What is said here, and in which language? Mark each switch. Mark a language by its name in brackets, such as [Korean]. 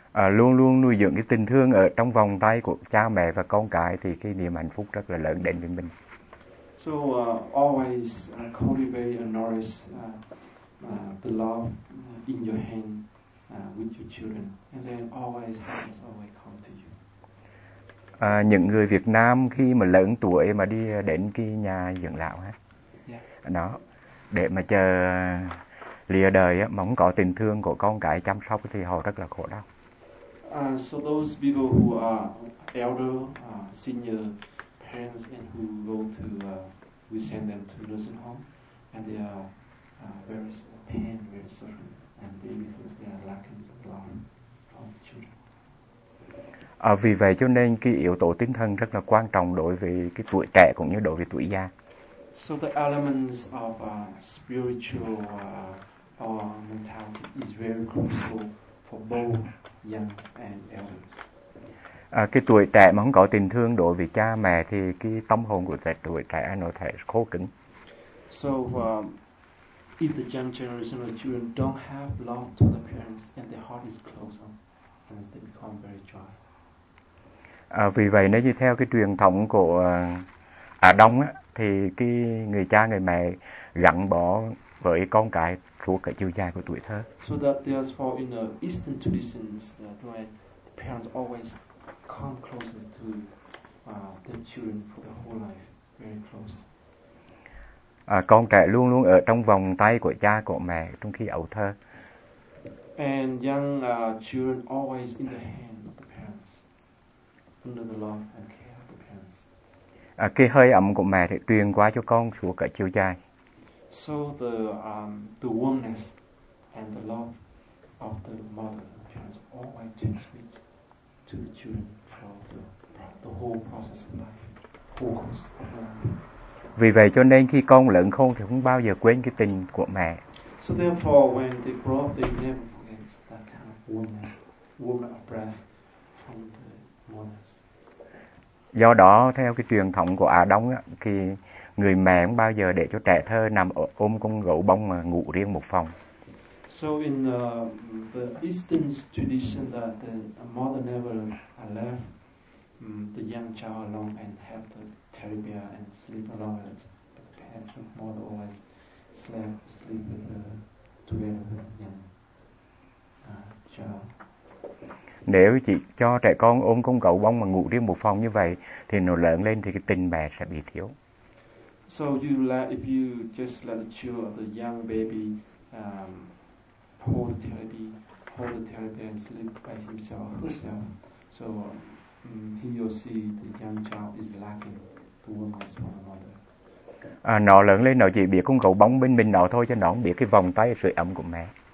[Vietnamese] Luôn luôn nuôi dưỡng cái tình thương ở trong vòng tay của cha mẹ và con cái thì cái niềm hạnh phúc rất là lớn đến với mình. [English] So always cultivate and nourish the love in your hand with your children, and then always happiness always come to you. [Vietnamese] Những người Việt Nam khi mà lớn tuổi mà đi đến cái nhà dưỡng lão ha, đó. Để mà chờ lìa đời á, mà không có tình thương của con cái chăm sóc thì họ rất là khổ đau. [English] So those people who are elder, senior parents and who go to, we send them to nursing home, and they are very pain, very suffering, and they because they are lacking the love of the children. [Vietnamese] Vì vậy cho nên cái yếu tố tinh thần rất là quan trọng đối với cái tuổi trẻ cũng như đối với tuổi già. [English] So the elements of spiritual or mentality is very crucial for both young and elders. [Vietnamese] Cái tuổi trẻ mà không có tình thương đối với cha mẹ thì cái tâm hồn của tuổi trẻ nó sẽ khô cứng. [English] So if the young generation of children don't have love to the parents and their heart is closed up, then they become very dry. [Vietnamese] Vì vậy nếu như theo cái truyền thống của Á Đông á, thì cái người cha người mẹ gắn bó với con cái suốt cả chiều dài của tuổi thơ. [English] So that therefore in the Eastern traditions, the parents always come closer to their children for the whole life, very close. [Vietnamese] Con trẻ luôn luôn ở trong vòng tay của cha của mẹ trong khi ấu thơ. [English] And young children always in the hand of the parents, under the love and care. [Vietnamese] Cái hơi ấm của mẹ thì truyền qua cho con suốt cả chiều dài. [English] So the warmness and the love of the mother is always transmitted to the children throughout the whole process of life, whole course of life. [Vietnamese] Vì vậy cho nên khi con lớn khôn thì không bao giờ quên cái tình của mẹ. [English] So therefore when they grow up, they never forget that kind of warmness of breath from the mother. [Vietnamese] Do đó theo cái truyền thống của Á Đông á, thì người mẹ không bao giờ để cho trẻ thơ nằm ôm con gấu bông mà ngủ riêng một phòng. [English] So in the Eastern tradition that the mother never left the young child alone and have the terrier and sleep alone, but the mother always sleep with together with the young child. [Vietnamese] Nếu chị cho trẻ con ôm con gấu bông mà ngủ riêng một phòng như vậy thì nó lớn lên thì cái tình mẹ sẽ bị thiếu. [English] So you let, if you just let the child of the young baby hold the therapy and sleep by himself or herself, so he or she, the young child is lacking the warmth from the mother. [Vietnamese] Nó lớn lên nó chỉ biết con gấu bông bên mình nó thôi, cho nó không biết cái vòng tay sưởi ấm của mẹ.